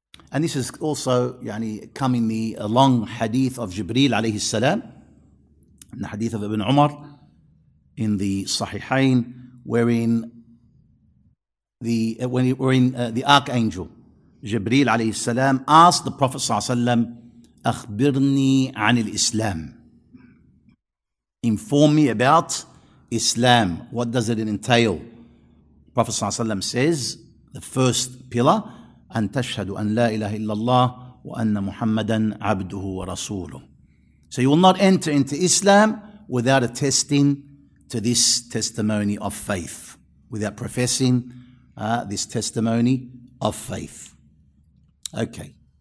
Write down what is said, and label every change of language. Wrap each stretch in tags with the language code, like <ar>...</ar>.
<en>And this is also come in the long hadith of Jibreel alayhi salam, in the hadith of Ibn Umar in the Sahihain, wherein the archangel Jibreel alayhi salam asked the Prophet sallallahu alayhi wa sallam,</en> <ar>akhbirni anil Islam,</ar> <en>inform me about Islam. What does it entail? Prophet ﷺ says, the first pillar,</en> <ar>أن تشهد أن لا إله إلا الله وَأَنَّ مُحَمَّدًا عَبْدُهُ وَرَسُولُهُ.</ar> <en>So you will not enter into Islam without attesting to this testimony of faith, without professing this testimony of faith. Okay.</en>